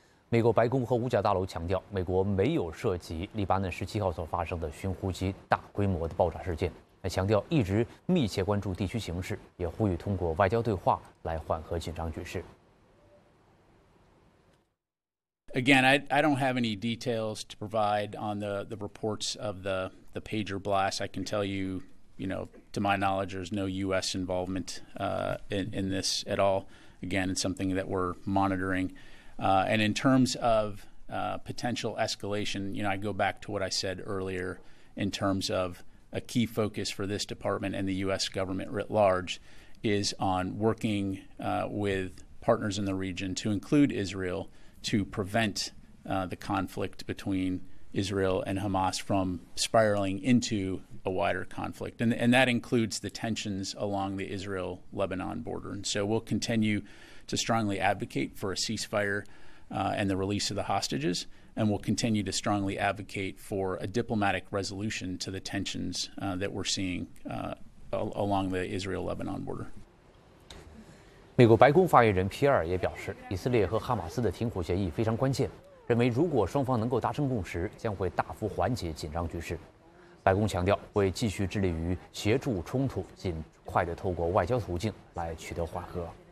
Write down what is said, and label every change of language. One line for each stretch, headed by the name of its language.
Chinese: 美国白宫和五角大楼强调，美国没有涉及黎巴嫩17号所发生的寻呼机大规模的爆炸事件，强调一直密切关注地区形势，也呼吁通过外交对话来缓和紧张局势。
English: Again, I don't have any details to provide on the reports of the pager blast. I can tell you, you know, to my knowledge, there's no U.S. involvement in this at all. Again, it's something that we're monitoring. And in terms of potential escalation, you know, I go back to what I said earlier in terms of a key focus for this department and the U.S. government writ large is on working with partners in the region to include Israel to prevent the conflict between Israel and Hamas from spiraling into a wider conflict. And that includes the tensions along the Israel-Lebanon border. And so we'll continue to strongly advocate for a ceasefire and the release of the hostages, and we'll continue to strongly advocate for a diplomatic resolution to the tensions that we're seeing along the Israel-Lebanon border.
Chinese: 美国白宫发言人皮尔也表示，以色列和哈马斯的停火协议非常关键，认为如果双方能够达成共识，将会大幅缓解紧张局势。白宫强调会继续致力于协助冲突尽快地透过外交途径来取得缓和。